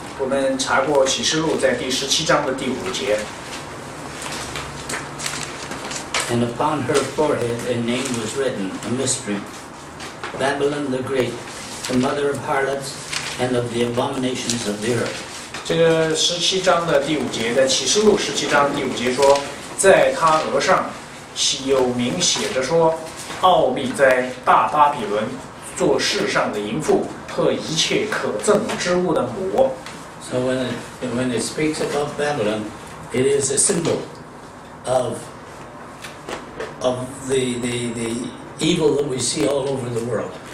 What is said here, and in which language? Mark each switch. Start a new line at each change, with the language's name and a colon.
Chinese: 我们查过启示录在第17章的第5节。
English: And upon her forehead a name was written, a mystery, Babylon the Great, the mother of harlots and of the abominations of the earth.
Chinese: 这个17章的第5节，在启示录17章第5节说，在他额上有名写着说，奥秘在大巴比伦，做世上的淫妇和一切可憎之物的母。
English: So when it speaks about Babylon, it is a symbol of the evil that we see all over the world.